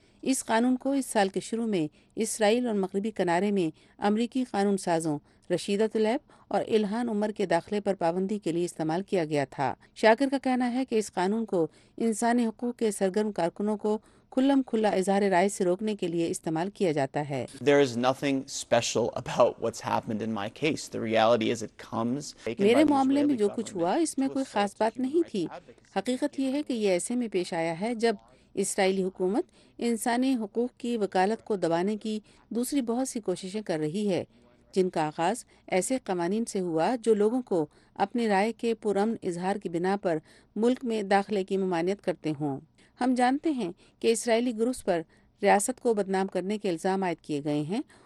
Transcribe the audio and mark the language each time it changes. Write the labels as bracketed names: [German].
[Urdu] اس قانون کو اس سال کے شروع میں اسرائیل اور مغربی کنارے میں امریکی قانون سازوں رشیدہ طلعت اور الہان عمر کے داخلے پر پابندی کے لیے استعمال کیا گیا تھا۔ شاکر کا کہنا ہے کہ اس قانون کو انسانی حقوق کے سرگرم کارکنوں کو کھلم کھلا اظہار رائے سے روکنے کے لیے استعمال کیا جاتا ہے۔ [English] There is nothing special about what's happened in my case. The reality is it comes. [Urdu] میرے معاملے میں جو کچھ ہوا اس میں کوئی خاص بات نہیں تھی۔ حقیقت یہ ہے کہ یہ ایسے میں پیش آیا ہے جب اسرائیلی حکومت انسانی حقوق کی وکالت کو دبانے کی دوسری بہت سی کوششیں کر رہی ہے، جن کا آغاز ایسے قوانین سے ہوا جو لوگوں کو اپنی رائے کے پرامن اظہار کی بنا پر ملک میں داخلے کی ممانعت کرتے ہوں۔ ہم جانتے ہیں کہ اسرائیلی گروپس پر ریاست کو بدنام کرنے کے الزام عائد کیے گئے ہیں